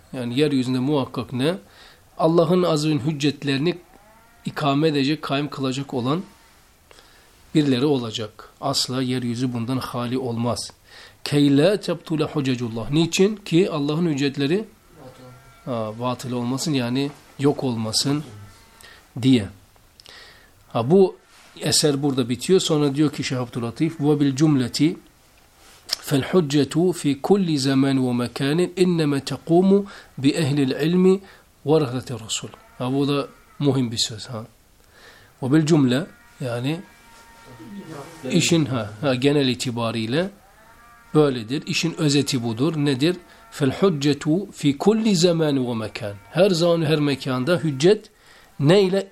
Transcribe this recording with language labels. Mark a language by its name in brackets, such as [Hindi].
[Turkish] Yani yeryüzünde muhakkak ne? Allah'ın azizin hüccetlerini ikame edecek, kaim kılacak olan birileri olacak. Asla yeryüzü bundan hali olmaz. [Arabic] كَيْ لَا تَبْتُولَ حُجَجُ اللّٰهِ. Niçin? [Turkish] Ki Allah'ın hüccetleri batıl olmasın, yani yok olmasın diye. Ha, bu eser burada bitiyor. Sonra diyor ki Şeyh Abdülatif, [Arabic] وَبِلْ جُمْلَةِ فَالْحُجَّةُ فِي كُلِّ زَمَانٍ وَمَكَانٍ اِنَّمَا تَقُومُ بِأَهْلِ الْعِلْمِ وَرَحْلَةِ الرَّسُولِ. [Turkish] Ha, bu da muhim bir söz. Ha. [Arabic] وَبِلْ جُمْلَةِ, [Turkish] yani işin genel itibariyle böyledir. İşin özeti budur. Nedir? [Arabic] فَالْحُجَّةُ فِي كُلِّ زَمَانٍ وَمَكَانٍ. [Turkish] Her zaman her mekanda hüccet neyle?